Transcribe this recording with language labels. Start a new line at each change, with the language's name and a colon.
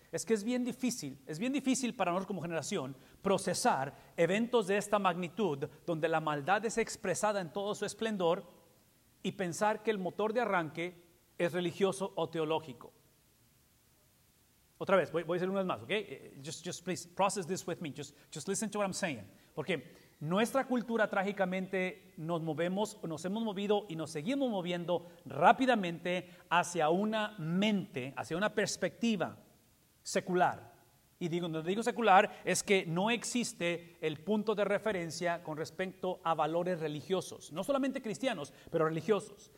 Spanish: Es que es bien difícil para nosotros como generación procesar eventos de esta magnitud donde la maldad es expresada en todo su esplendor y pensar que el motor de arranque es religioso o teológico. Otra vez, voy a decir una vez más, ¿ok?
English: Just please, process this with me, just listen to what I'm saying.
Spanish: Porque nuestra cultura trágicamente nos hemos movido y nos seguimos moviendo rápidamente hacia una mente, hacia una perspectiva secular. Y cuando digo secular es que no existe el punto de referencia con respecto a valores religiosos, no solamente cristianos, pero religiosos.